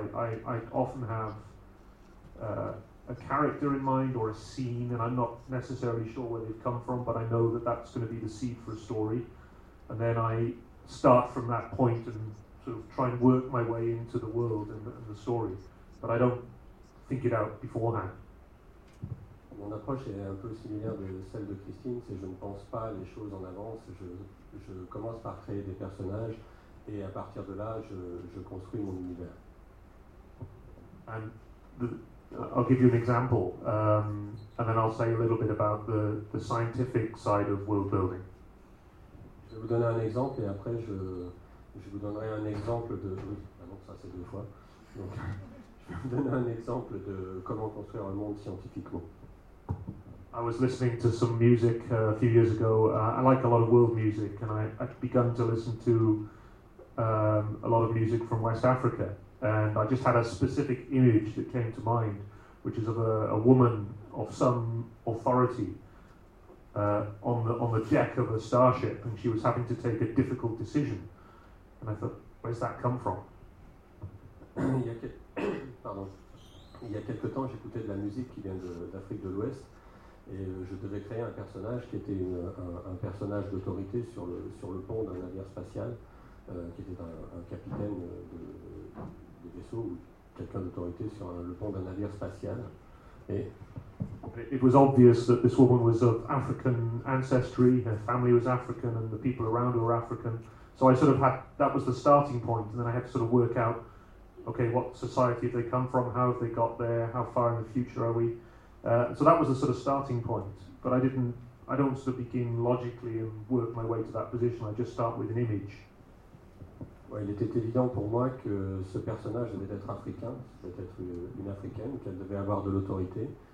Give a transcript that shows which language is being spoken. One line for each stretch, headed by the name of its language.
English: I often have a character in mind or a scene, and I'm not necessarily sure where they've come from, but I know that that's going to be the seed for a story, and then I start from that point and sort of try and work my way into the world and the story, but I don't think it out beforehand.
French: Mon approche est un peu similaire de celle de Christine, c'est je ne pense pas les choses en avance, je commence par créer des personnages et à partir de là, je construis mon univers.
English: And I'll give you an example, and then I'll say a little bit about the scientific side of world building.
French: Je vais vous donner un exemple et après je vous donnerai un exemple de... Oui, pardon, ça c'est deux fois. Donc, je vais vous donner un exemple de comment construire un monde scientifiquement.
English: I was listening to some music a few years ago. I like a lot of world music, and I've begun to listen to a lot of music from West Africa. And I just had a specific image that came to mind, which is of a woman of some authority on the deck of a starship, and she was having to take a difficult decision. And I thought, where's that come from?
French: Pardon. Il y a quelque temps, j'écoutais de la musique qui vient d'Afrique de l'Ouest. Et je devais créer un personnage qui était un personnage d'autorité sur le pont d'un navire spatial, qui était un capitaine de vaisseau, ou quelqu'un d'autorité sur le pont d'un navire spatial. Et
English: it was obvious that this woman was of African ancestry, her family was African, and the people around her were African. So I sort of had, that was the starting point, and then I had to sort of work out, okay, what society have they come from, how have they got there, how far in the future are we? So that was a sort of starting point, but I don't sort of begin logically and work my way to that position. I just start with an image.
French: Ouais, il était évident pour moi que ce personnage devait être africain, devait être une africaine, qu'elle devait avoir de l'autorité.